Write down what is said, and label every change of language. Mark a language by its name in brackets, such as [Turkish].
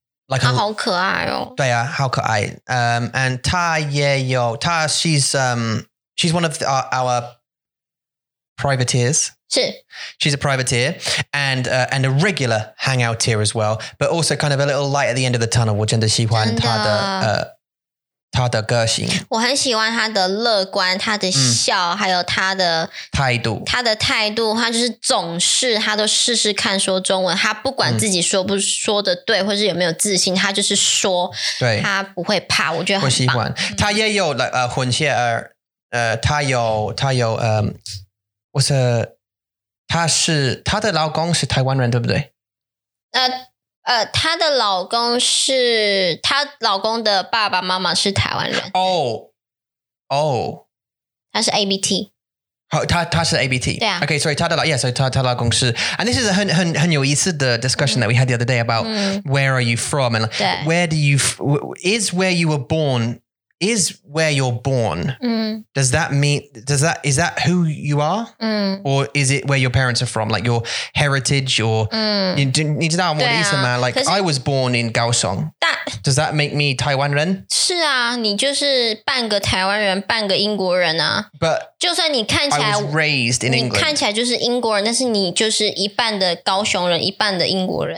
[English] Like [Chinese] 她好可爱哦。对啊，好可爱。And 她也有，她 [English] she's one of the, our privateers. [Chinese] 是。 [English] She's a privateer and a regular hangouteer as well, but also kind of a little light at the end of the tunnel. [Chinese] 我真的喜欢她的她的个性。我很喜欢她的乐观，她的笑，还有她的态度。她的态度，她就是总是她都试试看说中文，她不管自己说不说的对，或是有没有自信，她就是说，对，她不会怕。我觉得很棒，我喜欢。她也有混血儿，她有我是，她是她的老公是台湾人，对不对？她的老公是她老公的爸爸妈妈是台湾人。哦哦，她是 ABT。好，她是 ABT。对啊。 [English] Okay, sorry, [Chinese] 她的老公 [English] yeah, so [Chinese] 她老公是 [English] and this is a [Chinese] 很有意思的 [English] discussion that we had the other day about where are you from and like, where do you is where you were born is where you're born. Does that mean is that who you are or is it where your parents are from, like your heritage or you know what I mean? Like I was born in Kaohsiung. Does that make me Taiwan 人? [Chinese] 是啊，你就是半个台湾人，半个英国人啊。 [English] But [Chinese] 就算你看起来 [English] I was raised in England. [Chinese] 你看起来就是英国人，但是你就是一半的高雄人，一半的英国人。